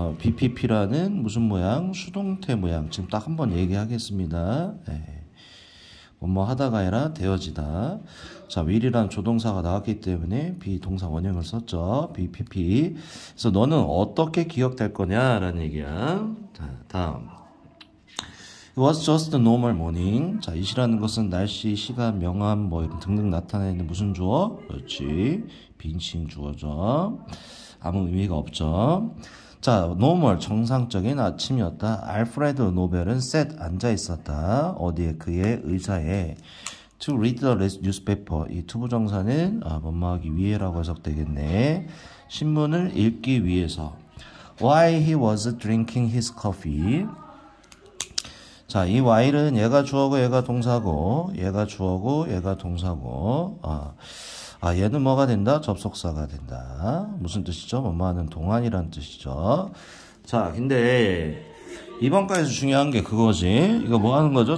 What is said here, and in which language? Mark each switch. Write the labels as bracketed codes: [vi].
[ko] BPP라는 무슨 모양, 수동태 모양 지금 딱 한번 얘기하겠습니다. 뭐뭐 하다가 아니라 되어지다. 자, will이란 조동사가 나왔기 때문에 be 동사 원형을 썼죠. BPP. 그래서 너는 어떻게 기억될 거냐라는 얘기야. 자, 다음. [en] It was just a normal morning. [ko] 자, it이라는 것은 날씨, 시간, 명암 뭐 이런 등등 나타내는 무슨 주어? 그렇지. 빙칭 주어죠. 아무 의미가 없죠. 자, normal, 정상적인 아침이었다. Alfred Nobel은 sat, 앉아 있었다. 어디에? 그의 의자에. [en] To read the newspaper. [ko] 이 to 부정사는 뭐뭐하기 위해라고 해석되겠네. 신문을 읽기 위해서. [en] Why he was drinking his coffee? [ko] 자, 이 while은 얘가 주어고 얘가 동사고, 얘가 주어고 얘가 동사고. 얘는 뭐가 된다? 접속사가 된다. 무슨 뜻이죠? 뭐뭐하는 동안이란 뜻이죠. 자, 근데 이번 과에서 중요한 게 그거지. 이거 뭐 하는 거죠?